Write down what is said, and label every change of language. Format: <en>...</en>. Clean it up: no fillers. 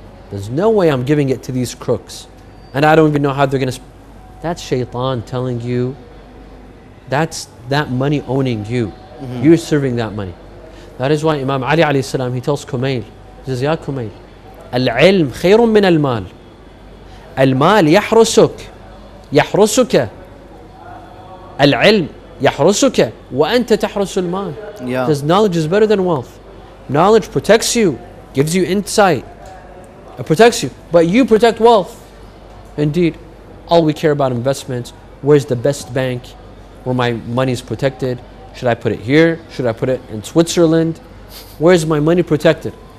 <en>There's no way I'm giving it to these crooks. And I don't even know how they're going to... That's shaitan telling you. That's that money owning you. Mm-hmm. You're serving that money. That is why Imam Ali alayhi salam, he tells Kumail, he says,</en> <ar>Ya Kumail, Al-ilm khayrun min al-mal. Al-mal yahrusuk. Yahrusuka. العلم يحرسك وأنت تحرس المال.</ar> <en>Because knowledge is better than wealth. Knowledge protects you, gives you insight. It protects you, but you protect wealth. Indeed, all we care about investments. Where's the best bank where my money is protected? Should I put it here? Should I put it in Switzerland? Where's my money protected?</en>